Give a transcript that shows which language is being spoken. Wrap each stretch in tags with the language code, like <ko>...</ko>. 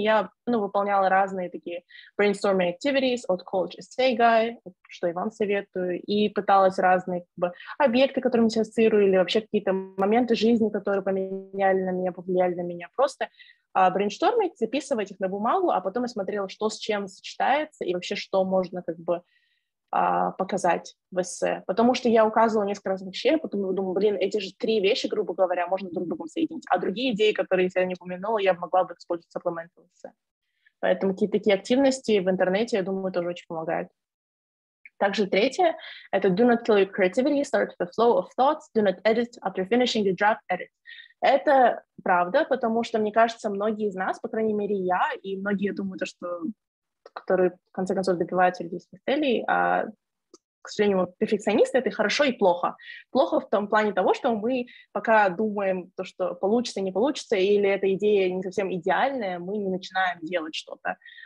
<ru>Я, ну, выполняла разные такие brainstorming activities от College Essay Guy, что я вам советую, и пыталась разные, как бы, объекты, которыми я ассоциирую, или вообще какие-то моменты жизни, которые поменяли на меня, повлияли на меня, просто brainstorming, записывать их на бумагу, а потом я смотрела, что с чем сочетается, и вообще, что можно, как бы, показать в эссе. Потому что я указывала несколько разных вещей, потом я думаю, блин, эти же три вещи, грубо говоря, можно друг с другом соединить. А другие идеи, которые я не упомянула, я могла бы использовать в supplemental эссе. Поэтому какие-то такие активности в интернете, я думаю, тоже очень помогают. Также третье — это</ru> <en>do not kill your creativity, start the flow of thoughts, do not edit after finishing the draft edit.</en> <ru>Это правда, потому что, мне кажется, многие из нас, по крайней мере, я, и многие, я думаю, то, что которые, в конце концов, добиваются людей своих целей, к сожалению, перфекционисты, это хорошо и плохо. Плохо в том плане того, что мы пока думаем, то, что получится, не получится, или эта идея не совсем идеальная, мы не начинаем делать что-то.</ru>